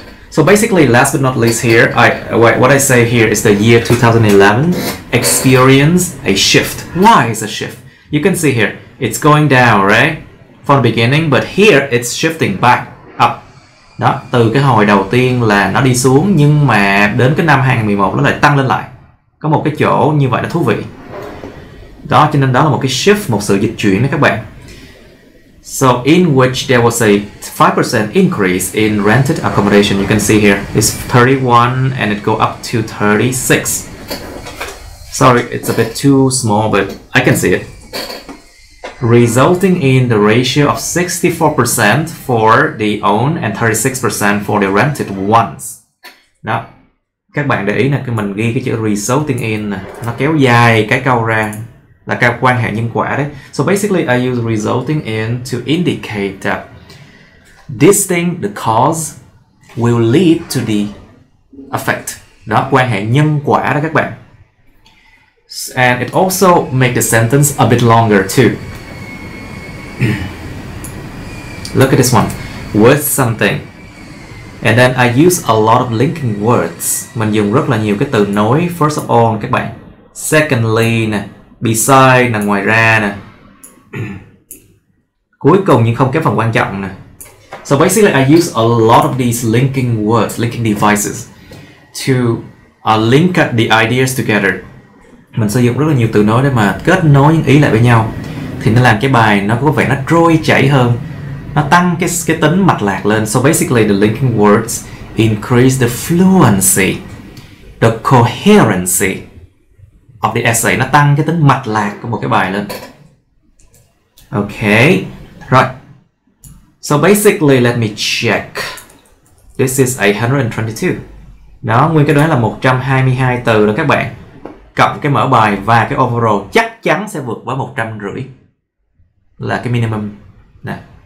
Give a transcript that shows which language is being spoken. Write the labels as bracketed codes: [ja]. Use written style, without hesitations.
[en] So basically, last but not least here, what I say here is the year 2011 experienced a shift. Why is a shift? You can see here, it's going down, right? From the beginning, but here it's shifting back up. [vi] Đó, từ cái hồi đầu tiên là nó đi xuống, nhưng mà đến cái năm 2011 nó lại tăng lên lại. Có một cái chỗ như vậy là thú vị. Đó, cho nên đó là một cái shift, một sự dịch chuyển đó các bạn. [en] So in which there was a 5% increase in rented accommodation. You can see here it's 31 and it go up to 36. Sorry, it's a bit too small, but I can see it. Resulting in the ratio of 64% for the own and 36% for the rented ones. [vi] Đó, các bạn để ý nè, mình ghi cái chữ resulting in nó kéo dài cái câu ra, là cái quan hệ nhân quả đấy. [en] So basically I use resulting in to indicate that this thing, the cause, will lead to the effect. [vi] Đó, quan hệ nhân quả đó các bạn. [en] And it also make the sentence a bit longer too. Look at this one. With something. And then I use a lot of linking words. [vi] Mình dùng rất là nhiều cái từ nối. [en] First of all [vi] các bạn. Secondly nè. Beside, ngoài ra nè. Cuối cùng nhưng không kém phần quan trọng nè. [en] So basically I use a lot of these linking words, linking devices to link the ideas together. [vi] Mình sử dụng rất là nhiều từ nối để mà kết nối những ý lại với nhau. Thì nó làm cái bài nó có vẻ nó trôi chảy hơn. Nó tăng cái tính mạch lạc lên. [en] So basically the linking words increase the fluency, the coherency of the essay. [vi] Nó tăng cái tính mạch lạc của một cái bài lên. [en] Okay, right. So basically, let me check. This is 822. [vi] Đó, nguyên cái đoán là 122 từ đó các bạn. Cộng cái mở bài và cái overall chắc chắn sẽ vượt qua 150. Là cái minimum. Nè.